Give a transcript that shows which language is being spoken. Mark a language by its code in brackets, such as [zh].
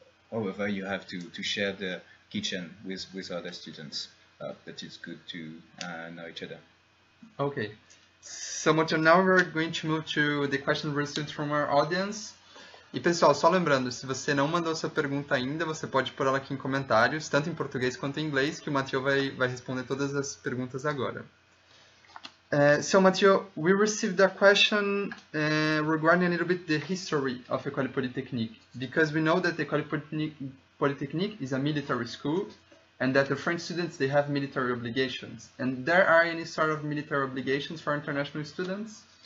[en] However, you have to share the kitchen with other students. That it's good to know each other. Okay, so Mathieu, now we're going to move to the questions received from our audience. [pt] E pessoal, só lembrando, se você não mandou sua pergunta ainda, você pode pôr ela aqui em comentários, tanto em português quanto em inglês, que o Mathieu vai responder todas as perguntas agora. [en] So Mathieu, we received a question regarding a little bit the history of École Polytechnique, because we know that École Polytechnique is a military school, and that the French students, they have military obligations. And there are any sort of military obligations for international students?